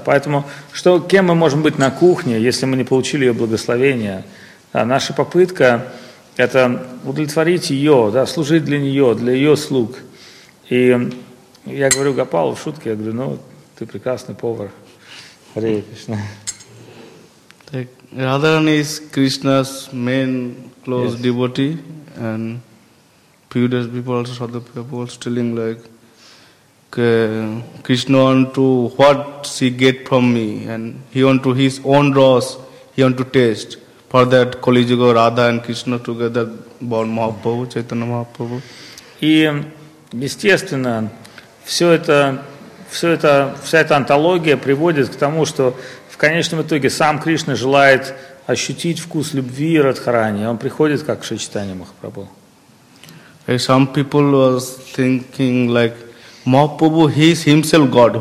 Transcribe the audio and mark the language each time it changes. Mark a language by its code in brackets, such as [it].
[ru] Поэтому что, кем мы можем быть на кухне, если мы не получили ее благословения? Да, наша попытка – это удовлетворить ее, да, служить для нее, для ее слуг. И я говорю Гопалу в шутке, я говорю, ну, ты прекрасный повар, Харе Кришна. [en] Так, Радхарани is Krishna's main close yes. devotee, and few days before also Sadhu Prabhupada was telling like, Krishna want to what she get from me, and he want to his own rose, he want to taste. For that Kali Yuga, Radha and Krishna together born Mahaprabhu, Chaitanya Mahaprabhu. [ru] И, естественно, вся эта антология приводит к тому, что в конечном итоге сам Кришна желает ощутить вкус любви и Радхарани. Он приходит как Шри Чайтанья Махапрабху. [en] Like some people was thinking like, Mahaprabhu, he is himself God.